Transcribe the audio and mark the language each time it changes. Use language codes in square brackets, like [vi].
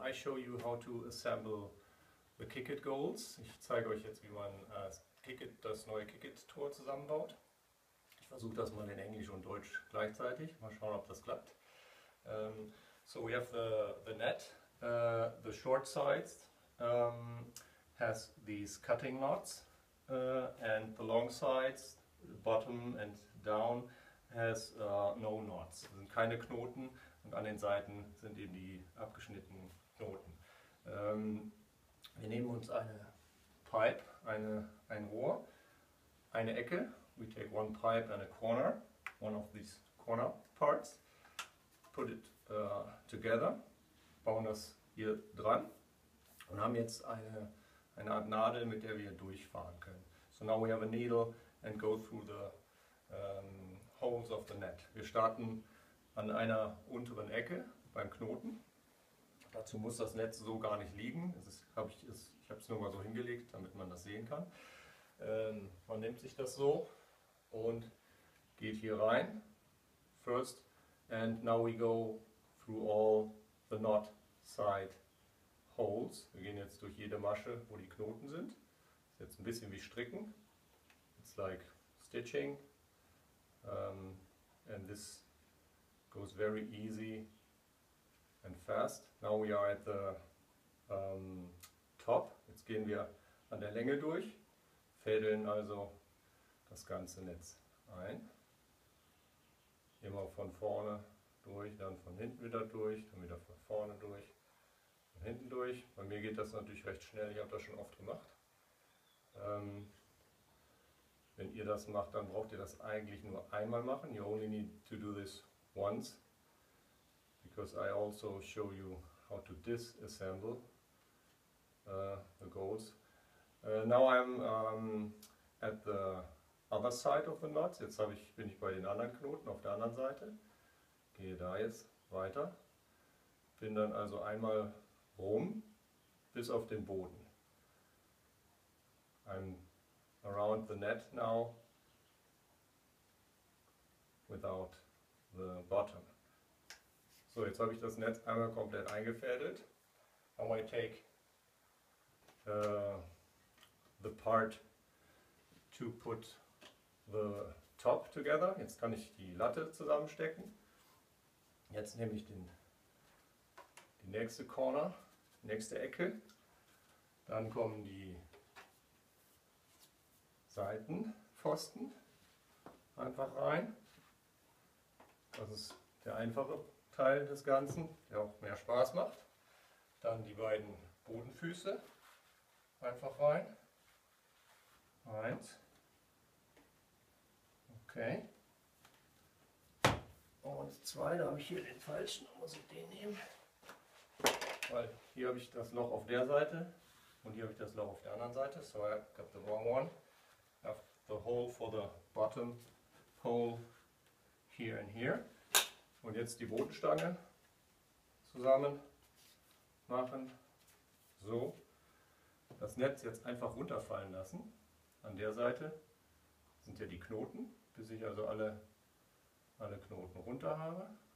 [en] I show you how to assemble the Kickit goals. [de] Ich zeige euch jetzt, wie man Kickit, das neue Kickit-Tor zusammenbaut. Ich versuche das mal in Englisch und Deutsch gleichzeitig. Mal schauen, ob das klappt. [en] So we have the net. The short sides has these cutting knots. And the long sides, the bottom and down, has no knots. [de] Das sind keine Knoten. Und an den Seiten sind eben die abgeschnittenen Knoten. Wir nehmen uns eine Pipe, ein Rohr, eine Ecke. [en] We take one pipe and a corner, one of these corner parts. Put it together, [de] bauen das hier dran und haben jetzt eine Art Nadel, mit der wir durchfahren können. [en] So now we have a needle and go through the holes of the net. [de] Wir starten an einer unteren Ecke beim Knoten. Dazu muss das Netz so gar nicht liegen. Ich habe es nur mal so hingelegt, damit man das sehen kann. Man nimmt sich das so und geht hier rein. [en] First, and now we go through all the knot side holes. [de] Wir gehen jetzt durch jede Masche, wo die Knoten sind. Ist jetzt ein bisschen wie Stricken. [en] It's like stitching. And this goes very easy and fast. Now we are at the top. [de] Jetzt gehen wir an der Länge durch, fädeln also das ganze Netz ein. Immer von vorne durch, dann von hinten wieder durch, dann wieder von vorne durch, von hinten durch. Bei mir geht das natürlich recht schnell, ich habe das schon oft gemacht. Wenn ihr das macht, dann braucht ihr das eigentlich nur einmal machen. [en] You only need to do this once, because I also show you how to disassemble the goals. Now I'm at the other side of the knots. [de] Jetzt bin ich bei den anderen Knoten auf der anderen Seite. Gehe da jetzt weiter. Bin dann also einmal rum bis auf den Boden. [en] I'm around the net now without the bottom. [de] So, jetzt habe ich das Netz einmal komplett eingefädelt. [en] Now I take the part to put the top together. [de] Jetzt kann ich die Latte zusammenstecken. Jetzt nehme ich die nächste Corner, nächste Ecke. Dann kommen die Seitenpfosten einfach rein. Das ist der einfache Teil des Ganzen, der auch mehr Spaß macht. Dann die beiden Bodenfüße einfach rein. Eins. Okay. Und zwei, da habe ich hier den falschen, muss ich den nehmen. Weil hier habe ich das Loch auf der Seite und hier habe ich das Loch auf der anderen Seite. [en] So I got the wrong one. I have the hole for the bottom hole here and here. [de] Und jetzt die Bodenstange zusammen machen, so, das Netz jetzt einfach runterfallen lassen. An der Seite sind ja die Knoten, bis ich also alle Knoten runter habe.